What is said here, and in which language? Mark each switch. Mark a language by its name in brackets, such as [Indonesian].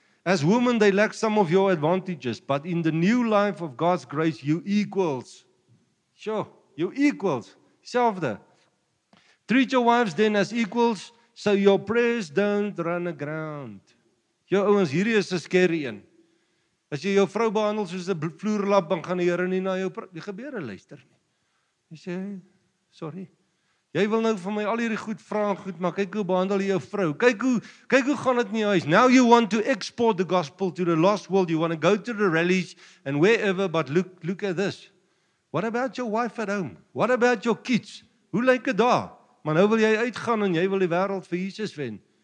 [English] As women, they lack some of your advantages, but in the new life of God's grace, you equals. Sure, you equals. Selfde. Treat your wives then as equals, so your prayers don't run aground. [Afrikaans] Jo, ouwens, hierdie is [English] a scary [Afrikaans] een. As jy jou vrou behandel soos 'n vloerlap, dan gaan die Here nie na jou die gebeure luister nie. Jy sê, sorry. Jy wil nou van my al hierdie goed vra en goed, maar kyk hoe behandel jy jou vrou. Kyk hoe gaan dit in jou huis. [English] Now you want to export the gospel to the lost world. You want to go to the rallies and wherever, but look at this. What about your wife at home? What about your kids? [Afrikaans] Hoe lyk dit daar? Maar nou wil jy uitgaan en jy wil die wêreld vir Jesus wen.